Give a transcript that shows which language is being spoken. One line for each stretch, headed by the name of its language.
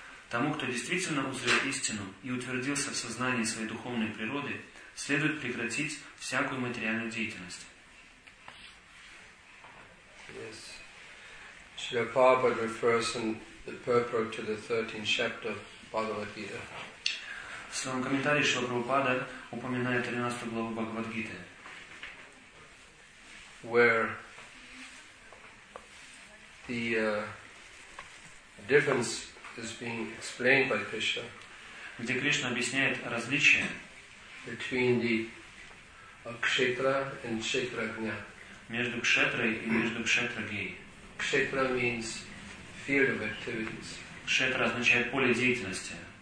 Russian: Тому, кто действительно узрел истину и утвердился в сознании своей духовной природы, следует прекратить всякую материальную деятельность.
English: Yes. Srila Prabhupada refers in the purport to the 13th chapter of Bhagavad-gita.
Russian: В своем комментарии Шрила Прабхупада упоминает 13 главу Бхагавад-гиты.
English: Where the difference is being explained by Krishna.
Russian: Где Кришна объясняет различие
English: between the кшетра and кшетрагня.
Russian: Между кшетрой и между кшетрагьей.
English: Кшетра means field of activities.
Russian: Кшетра означает поле деятельности.